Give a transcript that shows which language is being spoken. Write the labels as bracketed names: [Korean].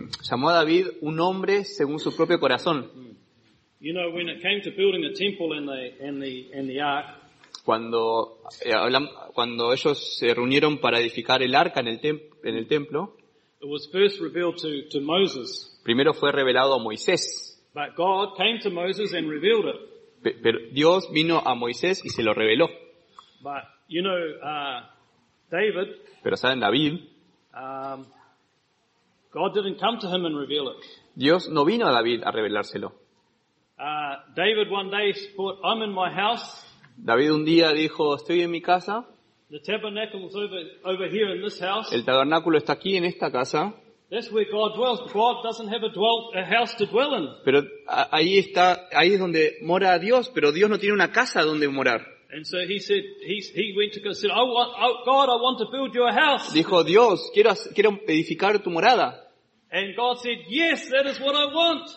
[Spanish] Llamó a David un hombre según su propio corazón. [English] You know, when it came to building the temple and the ark, [Spanish] cuando ellos se reunieron para edificar el arca en el templo, [English] it was first revealed to Moses. [Spanish] Primero fue revelado a Moisés. [English] But God came to Moses and revealed it. [Spanish] Pero Dios vino a Moisés y se lo reveló. [English] But you know, David. [Spanish] Pero saben, David. [English] God didn't come to him and reveal it. [Spanish] Dios no vino a David a revelárselo. [English] David one day thought, "I'm in my house." [Spanish] David un día dijo, "Estoy en mi casa." [English] The tabernacle is over here in this house. [Spanish] El tabernáculo está aquí en esta casa. [English] That's where God dwells. God doesn't have a house to dwell in. [Spanish] Pero ahí es donde mora Dios, pero Dios no tiene una casa donde morar. [English] And so he said, he went to God and said, I want to build you a house. [Spanish] Dijo, Dios, quiero edificar tu morada. [English] And God said, yes, that is what I want.